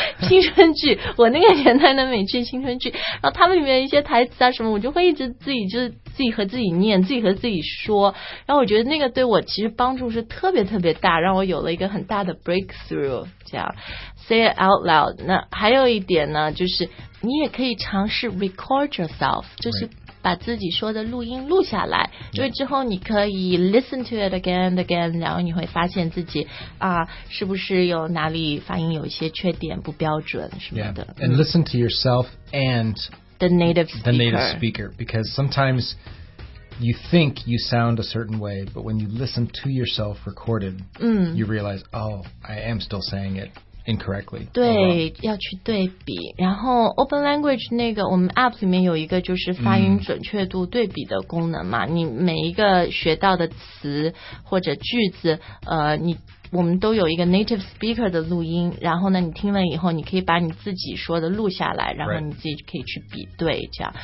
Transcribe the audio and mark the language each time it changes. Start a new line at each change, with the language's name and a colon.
Chinese: 青春剧我那个年代的美剧青春剧然后他们里面一些台词啊什么我就会一直自己就是自己和自己念自己和自己说然后我觉得那个对我其实帮助是特别特别大让我有了一个很大的 breakthrough 这样
English: say it out loud
Chinese: 那还有一点呢就是你也可以尝试
English: record yourself
Chinese: 就是把自己说的录音录下来，因为之后你可以
English: listen to it again and again，
Chinese: 然后你会发现自己啊，是不是有哪里发音有一些缺点，不标准什么的。
English: Yeah. And listen to yourself and the native speaker, because sometimes you think you sound a certain way, but when you listen to yourself recorded, you realize, oh, I am still saying it incorrectly.
Chinese: 对、uh-huh. 要去对比，然后 Open Language 那个我们 APP 里面有一个就是发音准确度对比的功能嘛、你每一个学到的词或者句子你我们都有一个 native speaker 的录音，然后呢你听了以后你可以把你自己说的录下来，然后你自己可以去比对这样、